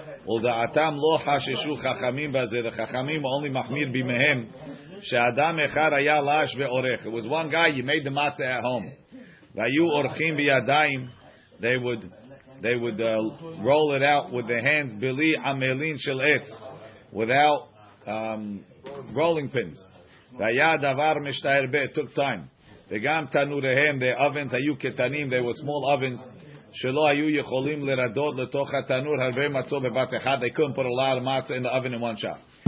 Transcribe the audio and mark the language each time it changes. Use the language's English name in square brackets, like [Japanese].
[Hebrew] ולדעתם לא חששו חכמים בזה, וחכמים [English] only [Hebrew] מחמיר בימיהם, שאדם אחד היה לש ועורך. [English] It was one guy, he made the matzah at home. [Hebrew] והיו עורכים בידיים, [English] they would roll it out with their hands, [Hebrew] בלי עמלין של עץ, [English] without rolling pins. [Hebrew] והיה הדבר משתהר בית, [English] took time. [Hebrew] וגם תנוריהם, [English] their ovens [Hebrew] היו קטנים, [English] they were small ovens, [Hebrew] שלא היו יכולים לרדות לתוך התנור הרבה מצות בבת אחד. [English] They couldn't put a lot of matzah in the oven in one shot.